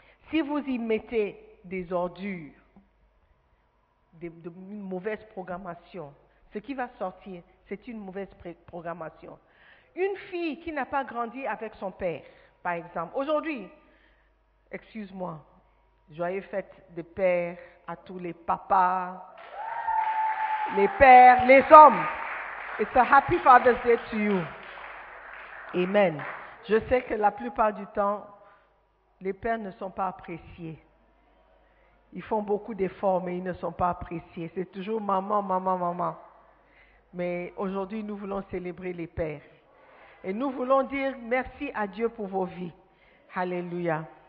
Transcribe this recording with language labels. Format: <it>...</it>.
<fr>Si vous y mettez des ordures, une mauvaise programmation, ce qui va sortir, c'est une mauvaise programmation. Une fille qui n'a pas grandi avec son père, par exemple, aujourd'hui, excuse-moi, joyeux fête de père à tous les papas, les pères, les hommes.</fr> <en>It's a happy Father's Day to you. Amen.</en> <fr>Je sais que la plupart du temps, les pères ne sont pas appréciés. Ils font beaucoup d'efforts, mais ils ne sont pas appréciés. C'est toujours maman, maman, maman. Mais aujourd'hui, nous voulons célébrer les pères. Et nous voulons dire merci à Dieu pour vos vies. Alléluia.</fr>